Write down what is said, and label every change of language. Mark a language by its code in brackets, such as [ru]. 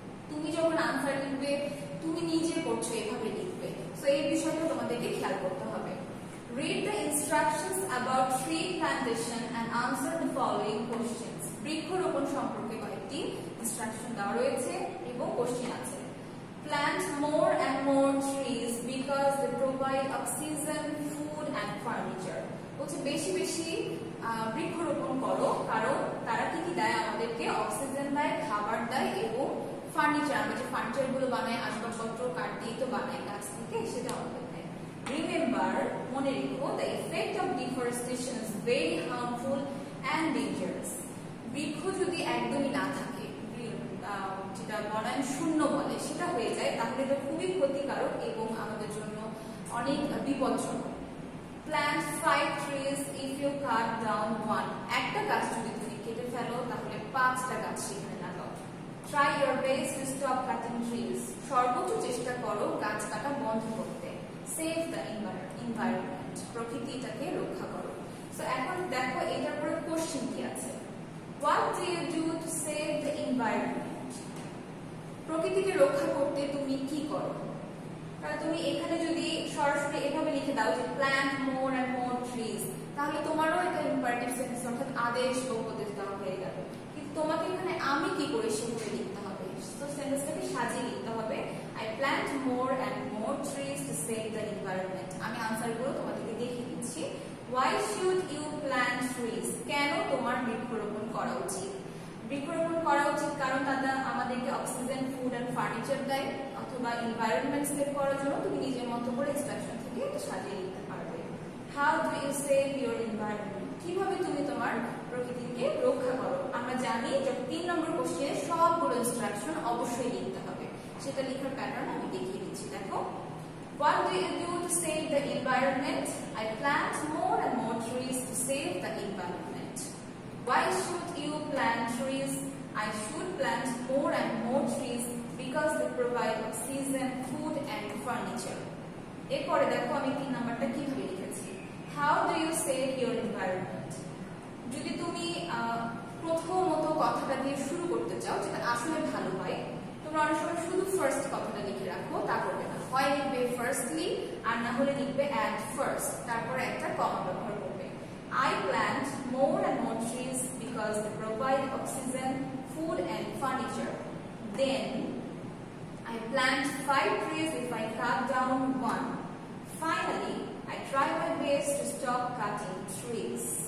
[bn] তুমি যখন আনসার লিখবে তুমি নিজে করছো এভাবে লিখবে সো এই বিষয়টা তোমাদেরকে খেয়াল করতে হবে [en] Read the instructions about tree plantation and answer the following questions. [bn] বৃক্ষরোপণ সম্পর্কে কয়েকটি instruction দেওয়া রয়েছে এবং question আছে. [en] Plant more and more trees because they provide oxygen, food and furniture. [bn] বলছে বেশি বেশি বৃক্ষরোপণ করো কারণ তারা কি কি দেয় আমাদেরকে অক্সিজেন দেয় খাবার দেয় এবং ফার্নিচার আমরা যে ফার্নিচার গুলো বানাই আসবাবপত্র কাঠ দিয়ে তো বানাই গাছ থেকে সেটা অনেক [en] Remember, [bn] মনে রেখো, [en] the effect of deforestation is very harmful and dangerous. [bn] বৃক্ষ যদি একদমই না থাকে, যেটা বনায়ন শূন্য বলে সেটা হয়ে যায় তাহলে তো খুবই ক্ষতিকারক এবং আমাদের জন্য অনেক বিপজ্জনক [en] Plant 5 trees if you cut down one. [bn] একটা গাছ যদি তুমি কেটে ফেলো তাহলে 5টা গাছ সেখানে লাগাও [en] Try your best to stop cutting trees. [bn] সর্বোচ্চ চেষ্টা করো গাছ কাটা বন্ধ করতে. [en] Save the environment. [bn] প্রকৃতিটাকে রক্ষা করো. So এখন দেখো এটার পরে question কি আছে. [en] What do you do to save the environment? [bn] প্রকৃতিকে রক্ষা করতে তুমি কি করো? তাহলে তুমি এখানে যদি সরাসরি এভাবে লিখে দাও যে [en] plant more and more trees, [bn] তাহলে তোমারও এটা imperative sentence অর্থাৎ আদেশ বা উপদেশ দেওয়া হয়ে গেল. তোমাকে এখানে আমি কি করে শুরু লিখতে হবে, তো সেন্টেন্সটাকে সাজিয়ে লিখতে হবে. [en] I plant more and more trees to save the environment. [bn] আমি আনসার গুলো তোমাদেরকে দেখিয়ে দিচ্ছি. [en] why should you plant trees, [bn] কেন তোমার বৃক্ষরোপণ করা উচিত. বৃক্ষরোপণ করা উচিত কারণ তারা আমাদেরকে অক্সিজেন, ফুড অ্যান্ড ফার্নিচার দেয়, অথবা এনভায়রনমেন্ট সেভ করার জন্য তুমি নিজের মতো করে ইন্সট্রাকশন থেকে এটা সাজিয়ে লিখতে পারবে. [en] how do you save your environment, [bn] কিভাবে তুমি তোমার প্রকৃতিকে রক্ষা করো. আমরা জানি যে 3 নম্বর কোশ্চেনে সবগুলো ইনস্ট্রাকশন অবশ্যই লিখতে হবে, সেটা লেখার প্যাটার্ন আমি দেখিয়ে দিচ্ছি. দেখো, [en] what do you do to save the environment? I plant more and more trees to save the environment. Why should you plant trees? I should plant more and more trees because they provide oxygen, food and furniture. [bn] এরপরে দেখো আমি 3 নম্বরটা কিভাবে লিখেছি. [en] How do you save your environment? [bn] যদি তুমি প্রথমত কথাটা দিয়ে শুরু করতে চাও যেটা আসলে ভালো হয়, তোমরা অনেক সময় শুধু ফার্স্ট কথাটা লিখে রাখো, তা করবে না. হয় লিখবে ফার্স্টলি, আর না হলে লিখবে অ্যাট ফার্স্ট, তারপর একটা কমা ব্যবহার করবে. [en] I plant more and more trees because they provide oxygen, food and furniture. Then I plant 5 trees if I cut down 1. Finally I try my best to stop cutting trees.